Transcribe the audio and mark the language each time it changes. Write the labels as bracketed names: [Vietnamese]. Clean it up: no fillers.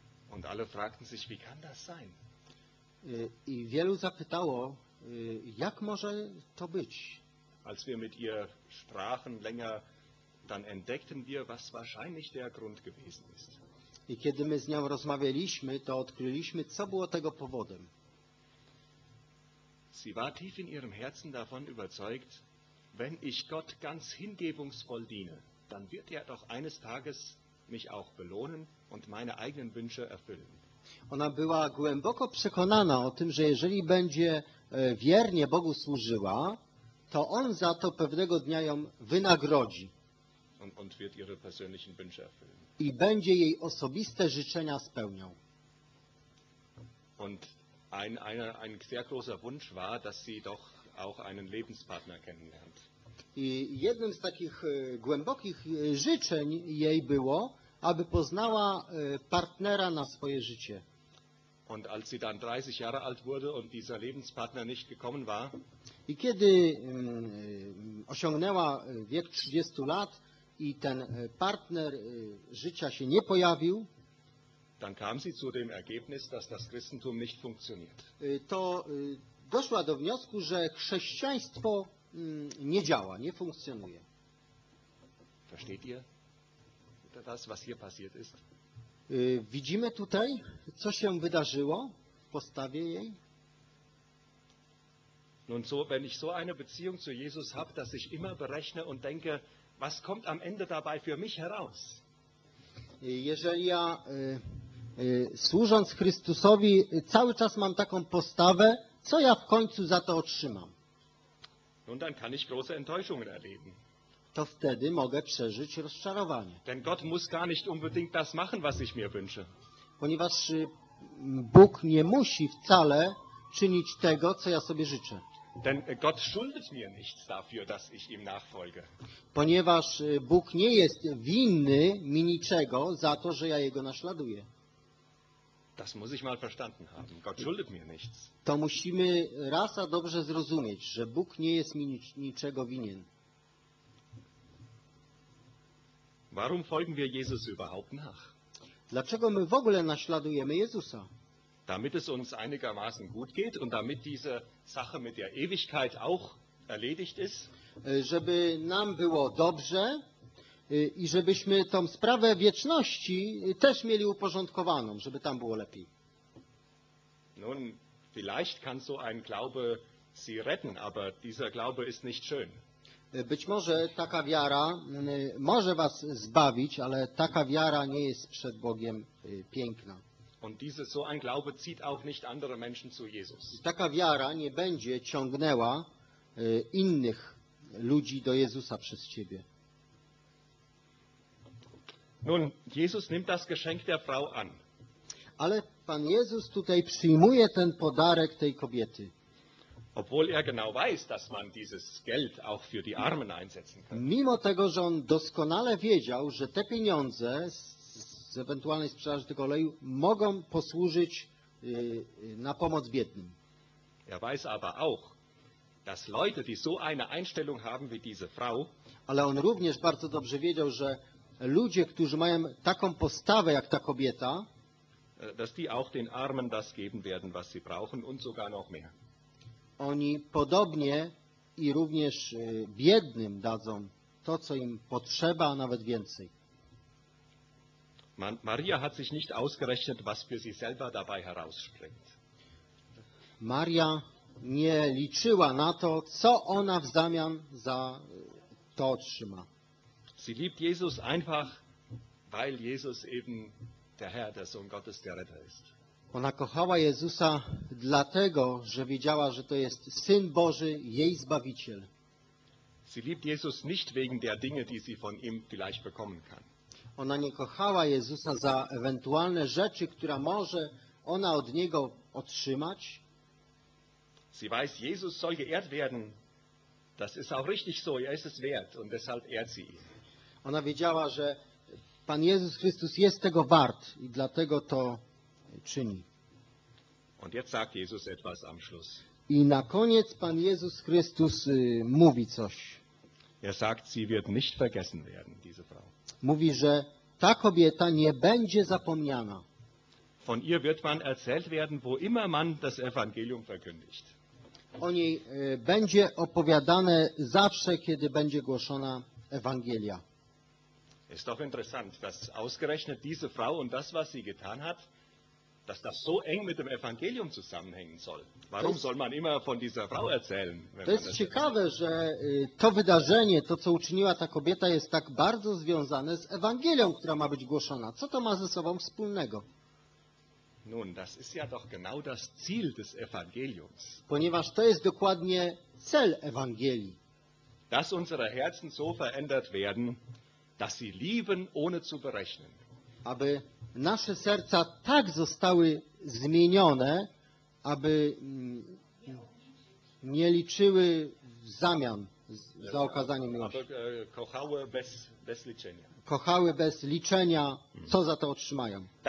[German] Und alle fragten sich, wie kann das sein? [Polish] I wielu zapytało, jak może to być? [German] Als wir mit ihr sprachen länger, dann entdeckten wir, was wahrscheinlich der Grund gewesen ist. [Polish] I kiedy my z nią rozmawialiśmy, to odkryliśmy, co było tego powodem. [German] Sie war tief in ihrem Herzen davon überzeugt, wenn ich Gott ganz hingebungsvoll diene, dann wird doch eines Tages mich auch belohnen und meine eigenen Wünsche erfüllen. [Polish] Ona była głęboko przekonana o tym, że jeżeli będzie wiernie Bogu służyła, to On za to pewnego dnia ją wynagrodzi. [German] Und wird ihre persönlichen Wünsche erfüllen. [Polish] I będzie jej osobiste życzenia spełniał. [German] Und ein sehr großer Wunsch war, dass sie doch auch einen Lebenspartner kennenlernt. [Polish] I jednym z takich głębokich życzeń jej było, aby poznała partnera na swoje życie. [German] Und als sie dann 30 Jahre alt wurde und dieser Lebenspartner nicht gekommen war, [Polish] i kiedy osiągnęła wiek 30 lat i ten partner życia się nie pojawił, [German] dann kam sie zu dem Ergebnis, dass das Christentum nicht funktioniert. [Polish] To doszła do wniosku, że chrześcijaństwo nie działa, nie funkcjonuje. [German] Versteht ihr das, was hier passiert ist? [Polish] Widzimy tutaj, co się wydarzyło w postawie jej. [German] Nun so, wenn ich so eine Beziehung zu Jesus habe, dass ich immer berechne und denke, was kommt am Ende dabei für mich heraus? [Polish] Jeżeli ja służąc Chrystusowi cały czas mam taką postawę, co ja w końcu za to otrzymam? [German] Nun, dann kann ich große Enttäuschungen erleben. [Polish] To wtedy mogę przeżyć rozczarowanie. [German] Denn Gott muss gar nicht unbedingt das machen, was ich mir wünsche. [Polish] Ponieważ Bóg nie musi wcale czynić tego, co ja sobie życzę. [German] Denn Gott schuldet mir nichts dafür, dass ich ihm nachfolge. [Polish] Ponieważ Bóg nie jest winny mi niczego za to, że ja Jego naśladuję. [German] Das muss ich mal verstanden haben. Gott schuldet mir nichts. [Polish] To musimy raz a dobrze zrozumieć, że Bóg nie jest mi niczego winien. [German] Warum folgen wir Jesus überhaupt nach? [Polish] Dlaczego my w ogóle naśladujemy Jezusa? [German] Damit es uns einigermaßen gut geht und damit diese Sache mit der Ewigkeit auch erledigt ist. [Polish] Żeby nam było dobrze i żebyśmy tą sprawę wieczności też mieli uporządkowaną, żeby tam było lepiej. [German] Nun, vielleicht kann so ein Glaube sie retten, aber dieser Glaube ist nicht schön. [Polish] Być może taka wiara może was zbawić, ale taka wiara nie jest przed Bogiem piękna. [German] Und diese, so ein Glaube zieht auch nicht andere Menschen zu Jesus. [Polish] Taka wiara nie będzie ciągnęła innych ludzi do Jezusa przez ciebie. [German] Nun, Jesus nimmt das Geschenk der Frau an. [Polish] Ale Pan Jezus tutaj przyjmuje ten podarek tej kobiety. [German] Obwohl er genau weiß, dass man dieses Geld auch für die Armen einsetzen kann. [Polish] Mimo tego, że on doskonale wiedział, że te pieniądze z ewentualnej sprzedaży tego oleju mogą posłużyć na pomoc biednym. [German] Er weiß aber auch, dass Leute, die so eine Einstellung haben wie diese Frau, [Polish] ale on również bardzo dobrze wiedział, że ludzie, którzy mają taką postawę jak ta kobieta, [German] dass die auch den Armen das geben werden, was sie brauchen und sogar noch mehr. [Polish] Oni podobnie i również biednym dadzą to, co im potrzeba, a nawet więcej. [German] Maria hat sich nicht ausgerechnet, was für sie selber dabei herausspringt. [Polish] Maria nie liczyła na to, co ona w zamian za to otrzyma. [German] Sie liebt Jesus einfach, weil Jesus eben der Herr, der Sohn Gottes, der Retter ist. [Polish] Ona kochała Jezusa dlatego, że wiedziała, że to jest Syn Boży, jej Zbawiciel. [German] Sie liebt Jesus nicht wegen der Dinge, die sie von ihm vielleicht bekommen kann. [Polish] Ona nie kochała Jezusa za ewentualne rzeczy, które może ona od Niego otrzymać. [German] Sie weiß, Jesus soll geehrt werden. Das ist auch richtig so, er ist es wert und deshalb ehrt sie ihn. [Polish] Ona wiedziała, że Pan Jezus Chrystus jest tego wart i dlatego to czyni. [German] Und jetzt sagt Jesus etwas am Schluss. [Polish] I na koniec Pan Jezus Chrystus mówi coś. [German] Er sagt, sie wird nicht vergessen werden, diese Frau. [Polish] Mówi, że ta kobieta nie będzie zapomniana. [German] Von ihr wird man erzählt werden, wo immer man das Evangelium verkündigt. [Polish] O niej będzie opowiadane zawsze, kiedy będzie głoszona Ewangelia. [German] Ist doch interessant, dass ausgerechnet diese Frau und das, was sie getan hat, dass das so eng mit dem Evangelium zusammenhängen soll. Warum soll man immer von dieser Frau erzählen? [Polish] To jest ciekawe, że to wydarzenie, to co uczyniła ta kobieta, jest tak bardzo związane z Ewangelią, która ma być głoszona. Co to ma ze sobą wspólnego? [German] Nun, das ist ja doch genau das Ziel des Evangeliums. [Polish] Ponieważ to jest dokładnie cel Ewangelii. [German] Dass unsere Herzen so verändert werden, dass sie lieben ohne zu berechnen. [Polish] Aby nasze serca tak zostały zmienione, aby nie liczyły w zamian za okazanie miłości. Kochały bez liczenia. Kochały bez liczenia, co za to otrzymają.